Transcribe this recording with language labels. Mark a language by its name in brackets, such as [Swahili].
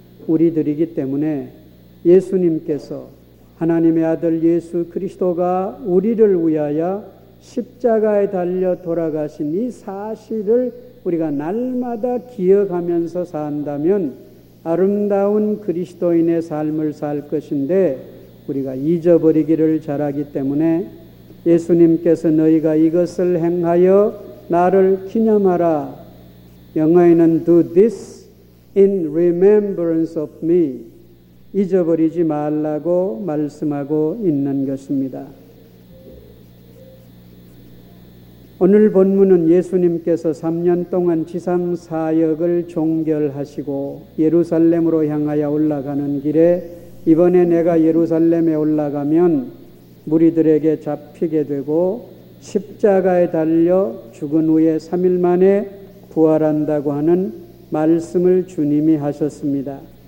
[Korean] 우리들이기 때문에 예수님께서 하나님의 아들 예수 그리스도가 우리를 위하여 십자가에 달려 돌아가신 이 사실을 우리가 날마다 기억하면서 산다면 아름다운 그리스도인의 삶을 살 것인데 우리가 잊어버리기를 잘하기 때문에 예수님께서 너희가 이것을 행하여 나를 기념하라. 영어에는 [English] do this in remembrance of me. [Korean] 잊어버리지 말라고 말씀하고 있는 것입니다. 오늘 본문은 예수님께서 3년 동안 지상사역을 종결하시고 예루살렘으로 향하여 올라가는 길에 이번에 내가 예루살렘에 올라가면 무리들에게 잡히게 되고 십자가에 달려 죽은 후에 3일 만에 부활한다고 하는 말씀을 주님이 하셨습니다.